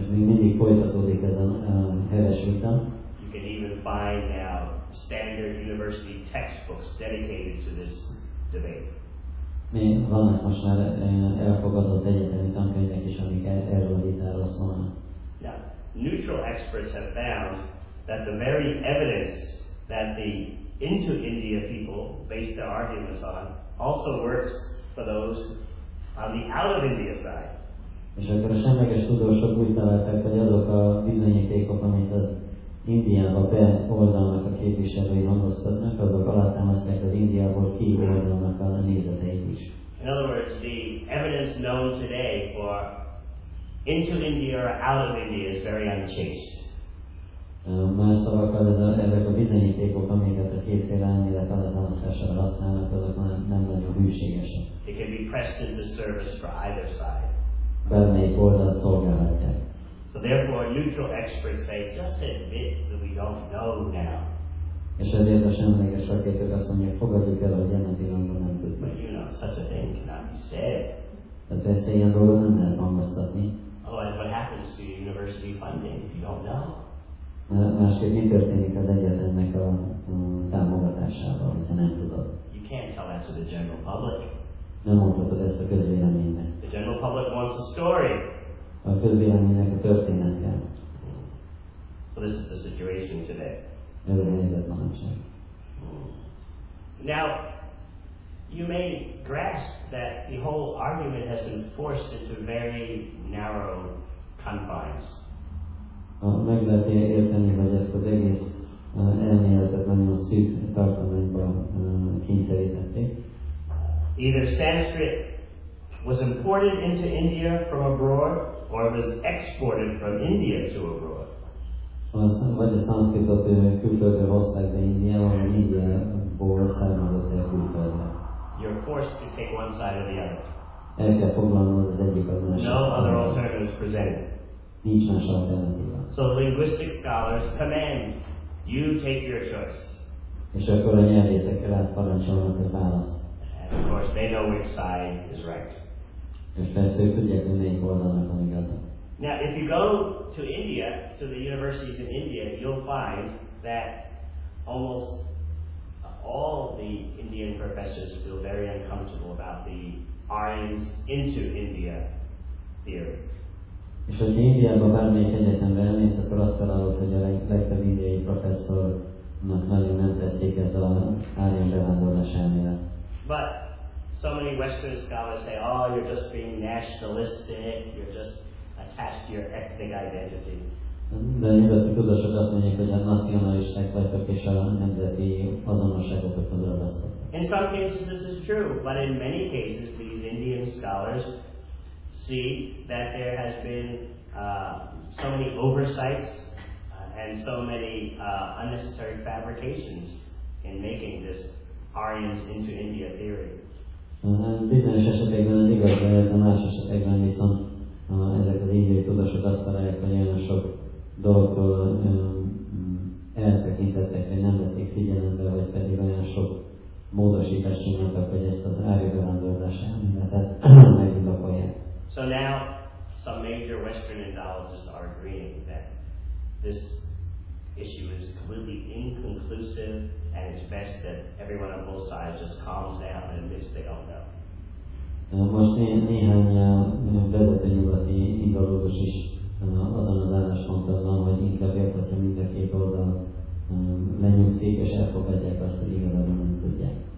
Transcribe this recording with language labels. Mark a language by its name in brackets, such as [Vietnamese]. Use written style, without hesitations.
[Hungarian] És még mindig folytatódik ez a heves vita. [English] You can even find now standard university textbooks dedicated to this debate. [Hungarian] Még vannak most már elfogadott egyetemi tankönyvek is, amik erről a vitáról szólnak. [English] Yeah. Neutral experts have found that the very evidence that the into India people based their arguments on also works for those on the out of India side. [Hungarian] És akkor a semleges tudósok úgy találták, hogy azok a bizonyítékok, amit az Indiába be oldalnak a képviselői hangoztatnak, azok alátámasztják az Indiából ki oldalnak a nézeteit is. [English] In other words, the evidence known today for into India or out of India is very unchaste. [Hungarian] Más szavakkal ezek a bizonyítékok, amiket a kétféle elmélet alátámasztására használnak, azok nem nagyon hűségesek. [English] It can be pressed into service for either side. [Hungarian] Bármelyik oldalt szolgálhatják. [English] So therefore, neutral experts say, just admit that we don't know now. [Hungarian] És ezért a semleges szakértők azt mondják, fogadjuk el, hogy ennek pillanatban nem tudjuk. [English] But you know, such a thing cannot be said. [Hungarian] De persze ilyen dolgot nem lehet hangoztatni. [English] Otherwise, what happens to university funding if you don't know? [Hungarian] Másképp mi történik az egyetemnek a támogatásával, hogyha nem tudod? [English] You can't tell that to the general public. [Hungarian] Nem mondhatod ezt a közvéleménynek. [English] The general public wants a story. [Hungarian] A közvéleménynek a történet kell. [English] So this is the situation today. [Hungarian] Ez a helyzet manapság. [English] Now, you may grasp that the whole argument has been forced into very narrow confines. [Hungarian] Meg lehet érteni, hogy ezt az egész elméletet nagyon szűk tartományba kényszerítették. [English] Either Sanskrit was imported into India from abroad, or was exported from India to abroad. [Hungarian] Vagy a Sanskritot külföldre hozták be Indiába, vagy Indiából származott el külföldre. [English] You're forced to take one side or the other. [Hungarian] El kell foglalnod az egyik az másik. [English] No other alternative is presented. [Hungarian] Nincs más alternatíva. [English] So linguistic scholars command you take your choice. [Hungarian] És akkor a nyelvészekkel átparancsolnak a választ. [English] And of course they know which side is right. [Hungarian] És persze ők tudják, hogy melyik oldalnak van igaza. [English] Now if you go to India, to the universities in India, you'll find that almost all the Indian professors feel very uncomfortable about the Aryans into India theory. [Hungarian] És hogy Indiában bármelyik egyetembe elmész, akkor azt találod, hogy a legtöbb indiai professzornak nagyon nem tették ez a Aryan bevándorlás elmélet. [English] But so many Western scholars say, oh, you're just being nationalistic, you're just attached to your ethnic identity. [Hungarian] De a nyugati tudósok azt mondják, hogy a nacionalisták vagytok és a nemzeti azonosságotokhoz ragasztottak. [English] In some cases this is true, but in many cases these Indian scholars see that there has been so many oversights and so many unnecessary fabrications in making this Aryans into India theory. [Hungarian] Bizonyos esetekben ez igaz, de más esetekben viszont ezek az indiai tudósok azt találják, hogy olyan sok dologtól eltekintettek, hogy nem vették figyelembe, vagy pedig olyan sok módosítást csináltak, hogy ezt az ári bevándorlás elméletet megindokolják. [English] So now some major Western Indologists are agreeing that this issue is completely inconclusive and it's best that everyone on both sides just calms down and admits they don't know. [Hungarian] Most néhány vezető nyugati indológus is azon az álláspontban van, hogy inkább érthetve mind a két oldal lenyugszik és elfogadják azt, hogy igazából nem tudják.